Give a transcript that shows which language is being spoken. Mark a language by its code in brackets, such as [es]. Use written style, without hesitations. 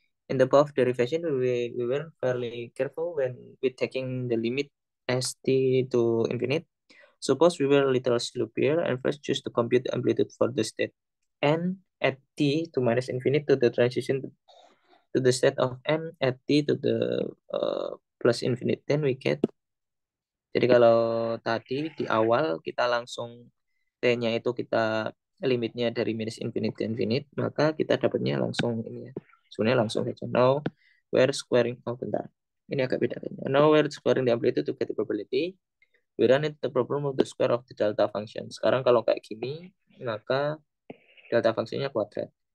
[en] In the above derivation, we were fairly careful when we taking the limit as t to infinite. Suppose we were a little sloppier and first choose to compute the amplitude for the state n at t to minus infinite to the transition to the state of n at t to the plus infinite. Then we get. [id] Jadi kalau tadi di awal kita langsung t-nya itu kita limitnya dari minus infinite ke infinite, maka kita dapatnya langsung ini ya. Sebenarnya langsung saja. [en] Now, where squaring, [id] oh bentar, ini agak beda. [en] Now, where squaring the amplitude to get the probability, we run into the problem of the square of the delta function. [id] Sekarang kalau kayak gini, maka delta functionnya kuadrat.